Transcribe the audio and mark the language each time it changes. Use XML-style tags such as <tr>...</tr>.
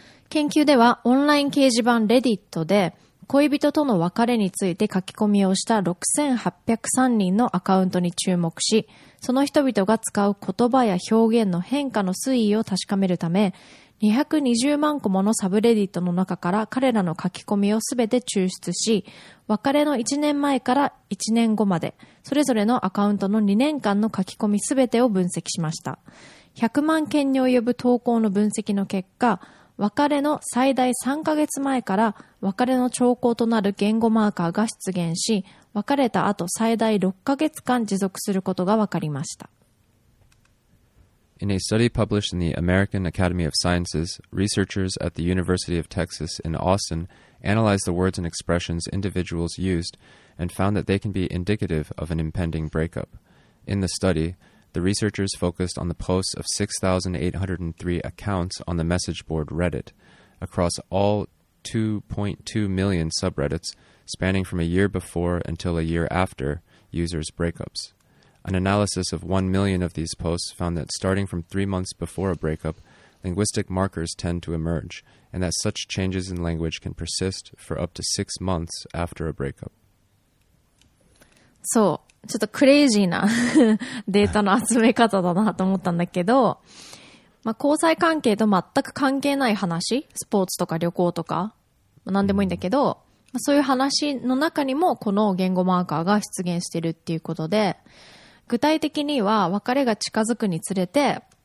<ja>研究では、オンライン掲示板レディットで恋人との別れについて書き込みをした6803人のアカウントに注目し、その人々が使う言葉や表現の変化の推移を確かめるため、220万個ものサブレディットの中から彼らの書き込みをすべて抽出し、別れの1年前から1年後まで、それぞれのアカウントの2年間の書き込みすべてを分析しました。 100万件に及ぶ投稿の分析の結果、別れの最大3ヶ月前から別れの兆候となる言語マーカーが出現し、別れた後最大6ヶ月間持続することが分かりました。</ja> <en>In a study published in the American Academy of Sciences, researchers at the University of Texas in Austin analyzed the words and expressions individuals used and found that they can be indicative of an impending breakup. In the study, the researchers focused on the posts of 6,803 accounts on the message board Reddit across all 2.2 million subreddits spanning from a year before until a year after users' breakups. An analysis of 1 million of these posts found that starting from 3 months before a breakup, linguistic markers tend to emerge, and that such changes in language can persist for up to 6 months after a breakup.</en> <ja>So, ちょっとクレイジーなデータの集め方だなと思ったんだけど、まあ、交際関係と全く関係ない話、スポーツとか旅行とか、まあ、何でもいいんだけど、まあ、そういう話の中にもこの言語マーカーが出現してるっていうことで、具体的には別れが近づくにつれて、</ja>